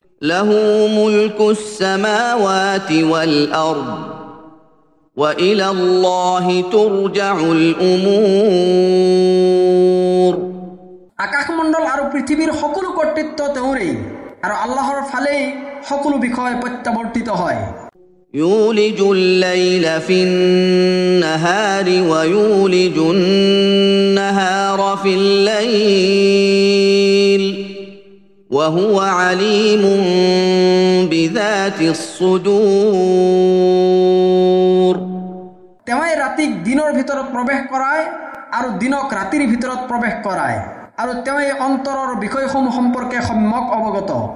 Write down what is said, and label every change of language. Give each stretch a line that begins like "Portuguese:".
Arabic: লাহু মুলকুস সামাৱাতি ৱাল আৰদ ৱা ইলাল্লাহি তুৰজাউল উমূৰ।
Assamese: আকাশমণ্ডল আৰু পৃথিৱীৰ সকলো কৰ্তৃত্ব তেওঁৰেই আৰু আল্লাহৰ ফালেই সকলো বিষয় প্ৰত্যাৱৰ্তিত হয়।
Arabic: يولج الليل في النهار ويولج النهار في الليل وهو عليم بذات الصدور।
Assamese: তেওঁই ৰাতিক দিনৰ ভিতৰত প্ৰৱেশ কৰায় আৰু দিনক ৰাতিৰ ভিতৰত প্ৰৱেশ কৰায় আৰু তেওঁই অন্তৰৰ বিষয়সমূহ সম্পৰ্কে সম্যক অৱগত।